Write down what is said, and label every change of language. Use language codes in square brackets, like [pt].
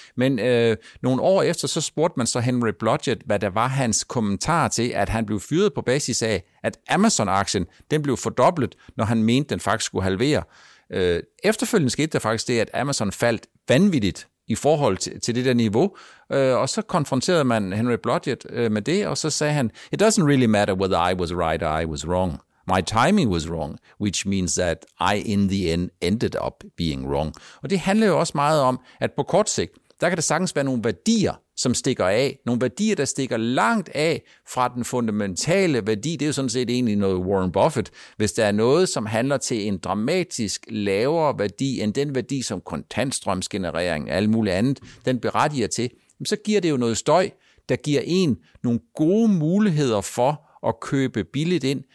[da] Men nogle år efter, så spurgte man så Henry Blodgett, hvad der var hans kommentar til, at han blev fyret på basis af, at Amazon-aktien, den blev fordoblet, når han mente, den faktisk skulle halvere. Efterfølgende skete der faktisk det, at Amazon faldt vanvittigt i forhold til det der niveau. Og så konfronterede man Henry Blodgett med det, og så sagde han, [en] it doesn't really matter whether I was right or I was wrong. My timing was wrong, which means that I in the end ended up being wrong. [da] Og det handler jo også meget om, at på kort sigt, der kan der sagtens være nogle værdier, som stikker af. Nogle værdier, der stikker langt af fra den fundamentale værdi. Det er jo sådan set egentlig noget Warren Buffett. Hvis der er noget, som handler til en dramatisk lavere værdi, end den værdi, som kontantstrømsgenerering og alt muligt andet, den berettiger til, så giver det jo noget støj, der giver en nogle gode muligheder for at købe billigt ind.